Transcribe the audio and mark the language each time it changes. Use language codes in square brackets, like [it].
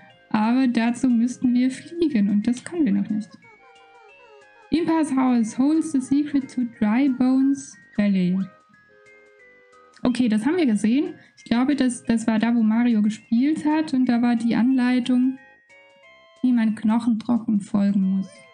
[de] Aber dazu müssten wir fliegen und das können wir noch nicht. [en] Impa's House holds the secret to Dry Bones Valley. [de] Okay, das haben wir gesehen. Ich glaube, das war da, wo Mario gespielt hat und da war die Anleitung, wie man Knochen trocken folgen muss.